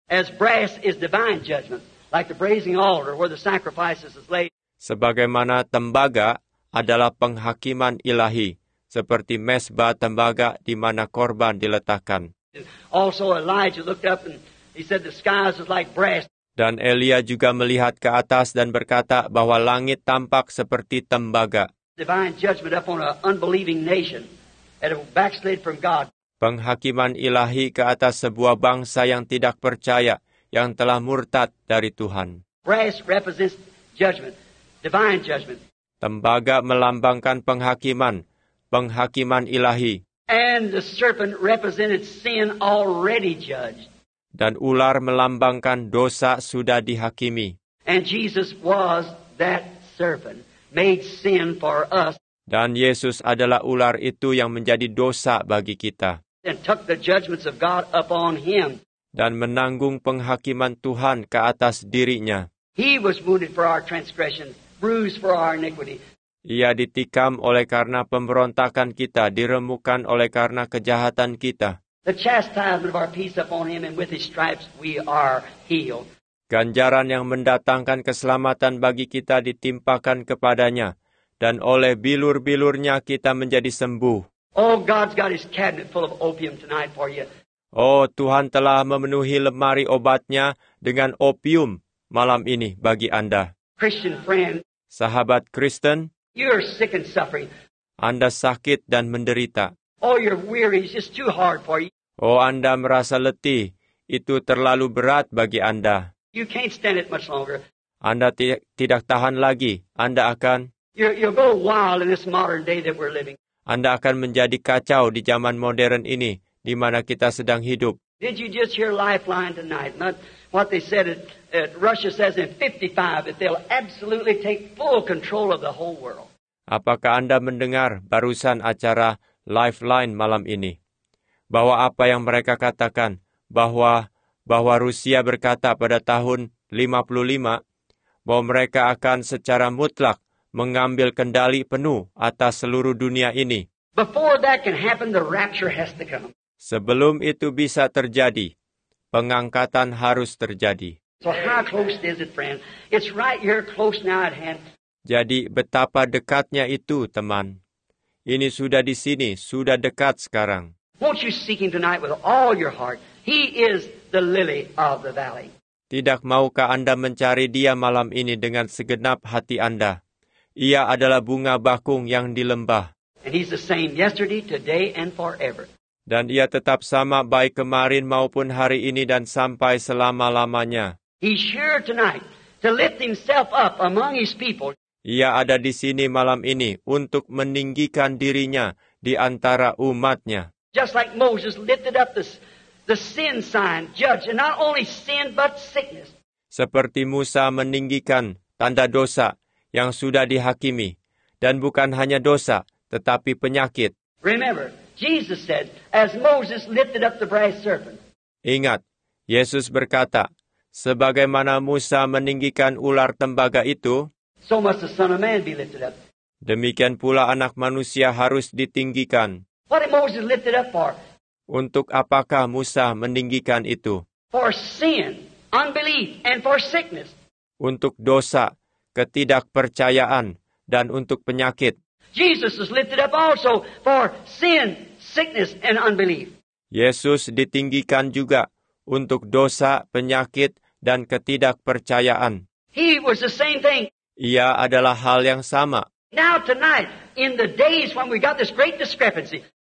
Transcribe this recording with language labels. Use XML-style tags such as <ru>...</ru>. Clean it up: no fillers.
<en>As brass is divine judgment, like the brazen altar where the sacrifices is laid.</en> <id>Sebagaimana tembaga adalah penghakiman ilahi, seperti mesbah tembaga di mana korban diletakkan.</id> <en>Also Elijah looked up and he said the skies was like brass.</en> <id>Dan Elia juga melihat ke atas dan berkata bahwa langit tampak seperti tembaga.</id> <en>Divine judgment upon an unbelieving nation that have backslid from God.</en> <id>Penghakiman ilahi ke atas sebuah bangsa yang tidak percaya, yang telah murtad dari Tuhan.</id> <en>Brass represents judgment, divine judgment.</en> <id>Tembaga melambangkan penghakiman ilahi.</id> <en>And the serpent represented sin already judged.</en> <id>Dan ular melambangkan dosa sudah dihakimi.</id> <en>And Jesus was that serpent. Made sin for us.</en> <id>Dan Yesus adalah ular itu yang menjadi dosa bagi kita.</id> <en>And took the judgments of God upon him.</en> <id>Dan menanggung penghakiman Tuhan ke atas dirinya.</id> <en>He was wounded for our transgressions, bruised for our iniquity.</en> <id>Ia ditikam oleh karena pemberontakan kita, diremukan oleh karena kejahatan kita.</id> <en>The chastisement of our peace upon him, and with his stripes we are healed.</en> <id>Ganjaran yang mendatangkan keselamatan bagi kita ditimpakan kepadanya, dan oleh bilur-bilurnya kita menjadi sembuh.</id> <en>Oh, God's got his cabinet full of opium tonight for you.</en> <id>Oh, Tuhan telah memenuhi lemari obatnya dengan opium malam ini bagi Anda.</id> <en>Christian friend,</en> <id>sahabat Kristen,</id> <en>you're sick and suffering.</en> <id>Anda sakit dan menderita.</id> <en>Oh, you're weary, it's just too hard for you.</en> <id>Oh, Anda merasa letih. Itu terlalu berat bagi Anda.</id> <en>You can't stand it much longer.</en> <id>Anda tidak tahan lagi. Anda akan</id> <en>You'll go wild in this modern day that we're living.</en> <id>Anda akan menjadi kacau di zaman modern ini, di mana kita sedang hidup.</id> <en>Did you just hear Lifeline tonight? Not what they said at Russia says in 55 that they'll absolutely take full control of the whole world.</en> <id>Apakah Anda mendengar barusan acara Lifeline malam ini? Bahwa apa yang mereka katakan, bahwa Rusia berkata pada tahun 55, bahwa mereka akan secara mutlak mengambil kendali penuh atas seluruh dunia ini.</id> <en>Before that can happen, the rapture has to come.</en> <id>Sebelum itu bisa terjadi, pengangkatan harus terjadi.</id> <en>So how close is it, friend? It's right here, close now at hand.</en> <id>Jadi betapa dekatnya itu, teman. Ini sudah di sini, sudah dekat sekarang.</id> <en>Won't you seek him tonight with all your heart? He is the lily of the valley.</en> <id>Tidak maukah Anda mencari dia malam ini dengan segenap hati Anda? Ia adalah bunga bakung yang di lembah.</id> <en>And he's the same yesterday, today, and forever.</en> <id>Dan ia tetap sama baik kemarin maupun hari ini dan sampai selama-lamanya.</id> <en>He's sure tonight to lift himself up among his people.</en> <id>Ia ada di sini malam ini untuk meninggikan dirinya di antara umatnya.</id> <en>Just like Moses lifted up the sin sign, judge, and not only sin but sickness.</en> <id>Seperti Musa meninggikan tanda dosa yang sudah dihakimi, dan bukan hanya dosa, tetapi penyakit.</id> <en>Remember, Jesus said, as Moses lifted up the brass serpent.</en> <id>Ingat, Yesus berkata, sebagaimana Musa meninggikan ular tembaga itu,</id> <en>so must the Son of Man be lifted up.</en> <id>Demikian pula anak manusia harus ditinggikan.</id> <en>What did Moses lift it up for?</en> <id>Untuk apakah Musa meninggikan itu?</id> <en>For sin, unbelief, and for sickness.</en> <id>Untuk dosa, ketidakpercayaan, dan untuk penyakit.</id> <en>Jesus is lifted up also for sin, sickness, and unbelief.</en> <id>Yesus ditinggikan juga untuk dosa, penyakit, dan ketidakpercayaan.</id> <en>He was the same thing.</en> <id>Ia adalah hal yang sama.</id> <en>Now tonight, in the days when we got this great discrepancy.</en>